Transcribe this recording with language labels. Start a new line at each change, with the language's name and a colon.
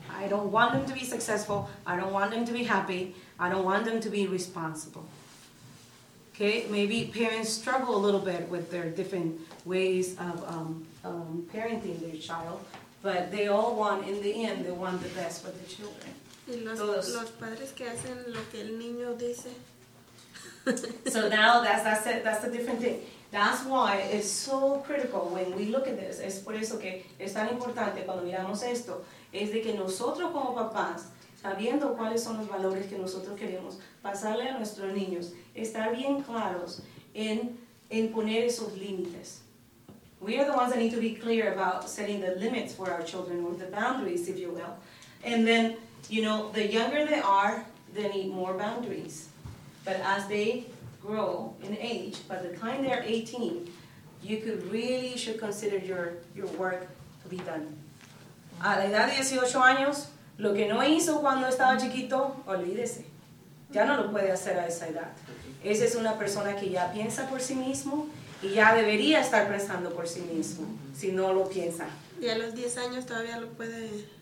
English: I don't want them to be successful. I don't want them to be happy. I don't want them to be responsible. Okay, maybe parents struggle a little bit with their different ways of parenting their child, but they all want, in the end, they want the best for the children.
Spanish: Y los padres que hacen lo que el niño dice.
English: So now that's a different thing. That's why it's so critical when we look at this.
Spanish: Es por eso que es tan importante cuando miramos esto, es de que nosotros como papás, sabiendo cuáles son los valores que nosotros queremos pasarle a nuestros niños, estar bien claros en poner esos límites.
English: We are the ones that need to be clear about setting the limits for our children, or the boundaries, if you will. And then, you know, the younger they are, they need more boundaries. But as they grow in age, by the time they're 18, you could really should consider your work to be done.
Spanish: A la edad de 18 años, lo que no hizo cuando estaba chiquito, olvídese. Ya no lo puede hacer a esa edad. Esa es una persona que ya piensa por sí mismo y ya debería estar pensando por sí mismo, si no lo piensa. ¿Y a los 10 años todavía lo puede...?